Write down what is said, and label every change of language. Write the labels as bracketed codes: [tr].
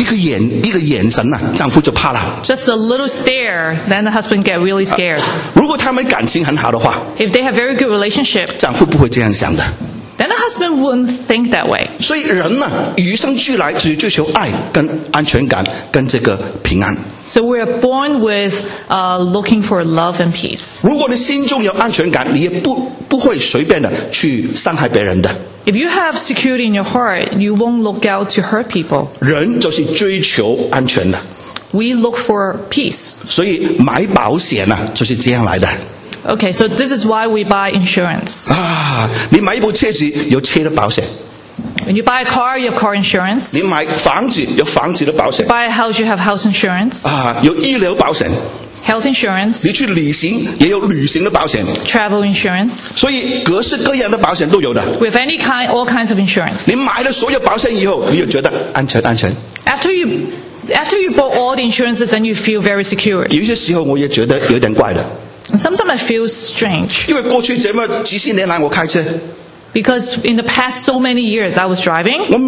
[zh] 一个眼神啊, 丈夫就怕了。 [en] Just a little stare, then the husband get really scared. [zh] 如果他们感情很好的话, [en] If they have very good relationship, [zh] 丈夫不会这样想的。 [en] Then the husband wouldn't think that way. [zh] 所以人啊, 与生俱来, 只追求爱跟安全感跟这个平安。 [en] So we are born with looking for love and peace. [zh] 如果你心中有安全感, 你也不会随便的去伤害别人的。 [en] If you have security in your heart, you won't look out to hurt people. [zh] 人就是追求安全的。 [en] We look for peace. [zh] 所以买保险啊, 就是这样来的。 [en] Okay, so this is why we buy insurance. [zh] 啊, 你买一部车子, 有车的保险。 [en] When you buy a car, you have car insurance. [zh] 你买房子, 有房子的保险。 [en] You buy a house, you have house insurance. [zh] 啊, 有医疗保险。 [en] Health insurance. [zh] 你去旅行, 也有旅行的保险。 [en] Travel insurance. [zh] 所以各式各样的保险都有的。 [en] We have all kinds of insurance. [zh] 你买了所有保险以后, 你又觉得安全。 [en] After you bought all the insurances, then you feel very secure. [zh] 有些时候我也觉得有点怪的。 [en] Sometimes I feel strange. [zh] 因为过去这么几十年来我开车, [en] Because in the past so many years I was driving.